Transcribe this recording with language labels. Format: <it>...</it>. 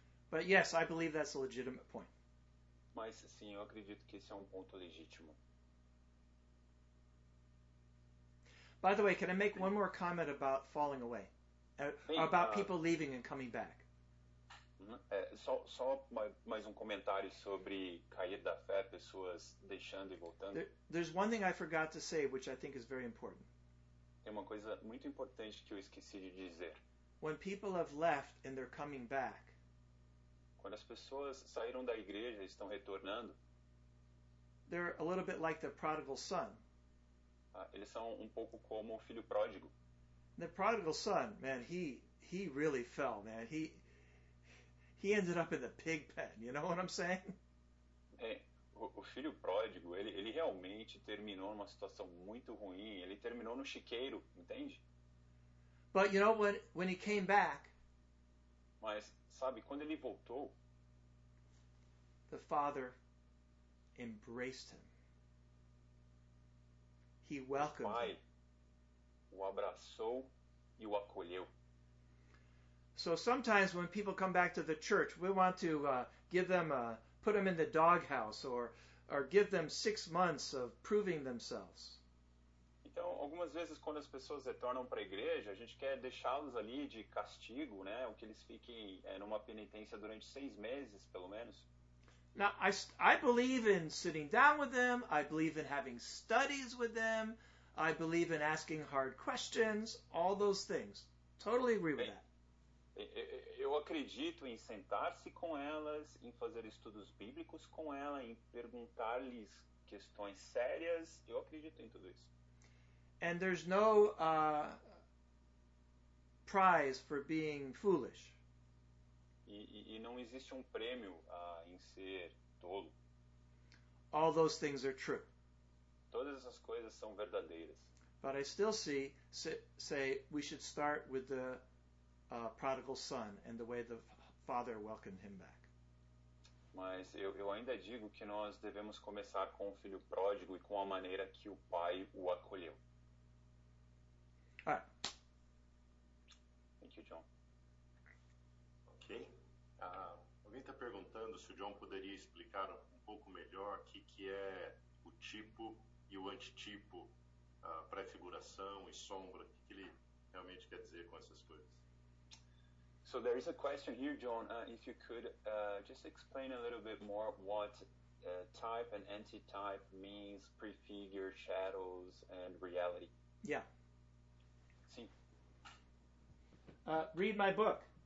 <en>But yes, I believe that's a legitimate point.</en> <pt>Mas sim, eu acredito que esse é ponto legítimo.</pt> <en>By the way, can I make one more comment about falling away? About people leaving and coming back?</en> <pt>Só mais comentário sobre cair da fé, pessoas deixando e voltando.</pt> <en>There's one thing I forgot to say, which I think is very important.</en> <pt>Tem uma coisa muito importante que eu esqueci de dizer.</pt> <en>When people have left and they're coming back,</en> <pt>quando as pessoas saíram da igreja e estão retornando,</pt> <en>they're a little bit like the prodigal son.</en> <pt>Eles são pouco como o filho pródigo.</pt> <en>The prodigal son, man, he really fell, man. He ended up in the pig pen, you know what I'm saying?</en> <pt>Bem, o filho pródigo, ele realmente terminou numa situação muito ruim. Ele terminou no chiqueiro, entende?</pt> <en>But you know what? When he came back,</en> <pt>mas sabe, quando ele voltou,</pt> <en>the father embraced him. He welcomed him.</en> <pt>O pai o abraçou e o acolheu.</pt> <en>So sometimes when people come back to the church, we want to put them in the doghouse or give them 6 months of proving themselves.</en> <pt>Então, algumas vezes quando as pessoas retornam para a igreja, a gente quer deixá-los ali de castigo, né, ou que eles fiquem numa penitência durante 6 meses, pelo menos.</pt> <en>Now, I believe in sitting down with them. I believe in having studies with them. I believe in asking hard questions, all those things. Totally agree with that.</en> <pt>Eu acredito em sentar-se com elas, em fazer estudos bíblicos com ela, em perguntar-lhes questões sérias. Eu acredito em tudo isso.</pt> <en>And there's no prize for being foolish.</en> <pt>E não existe prêmio em ser tolo.</pt> <en>All those things are true.</en> <pt>Todas essas coisas são verdadeiras.</pt> <en>But I still say we should start with the prodigal son and the way the father welcomed him back.</en> <pt>Mas eu ainda digo que nós devemos começar com o filho pródigo e com a maneira que o pai o acolheu.</pt> <en>All right. Thank you, John. Ok.</en> <pt>Alguém está perguntando se o John poderia explicar um pouco melhor o que, que é o tipo e o antitipo, a pré-figuração e sombra, o que, que ele realmente quer dizer com essas coisas.</pt> <en>So there is a question here, John, if you could just explain a little bit more what type and anti-type means, prefigure, shadows, and reality. Yeah.</en> <pt>Sim.</pt> <en>Read my book.</en>